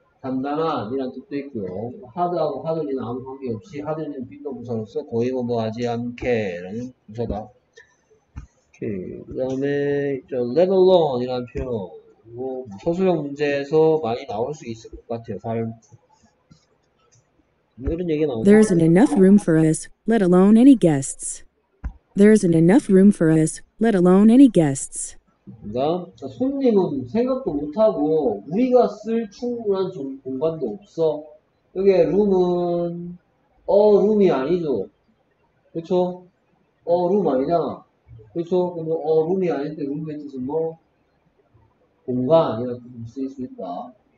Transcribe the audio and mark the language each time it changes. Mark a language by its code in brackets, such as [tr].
[ko] 단단한 이란 뜻도 있고요. 하드하고 하드는 아무 관계 없이 하드는 빈도 부서로서 거의 뭐하지 않게 라는 부서다. 오케이, 그 다음에 let alone 이란 표현. 뭐 서술형 문제에서 많이 나올 수 있을 것 같아요. 다른 이런 얘기 나오죠. [en] There isn't enough room for us, let alone any guests. There isn't enough room for us, let alone any guests. [ko] 그러니까 손님은 생각도 못하고 우리가 쓸 충분한 공간도 없어. 여기 룸은 룸이 아니죠. 그렇죠? 룸 아니잖아. 그렇죠? 그러면 룸이 아닌데 룸의 뜻은 뭐 공간이라고 쓸 수 있습니다.